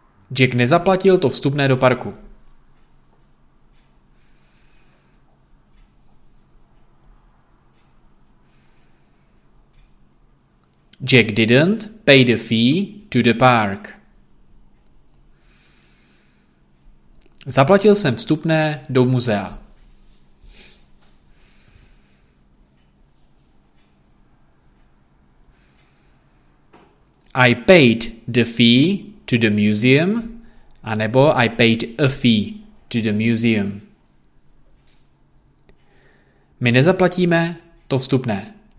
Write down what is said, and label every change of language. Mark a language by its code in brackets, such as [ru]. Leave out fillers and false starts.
[cs] Jack nezaplatil to vstupné do parku. [en] Jack didn't pay the fee to the park. [cs] Zaplatil jsem vstupné do muzea. [en] I paid the fee to the museum, anebo I paid a fee to the museum. [cs] My nezaplatíme to vstupné.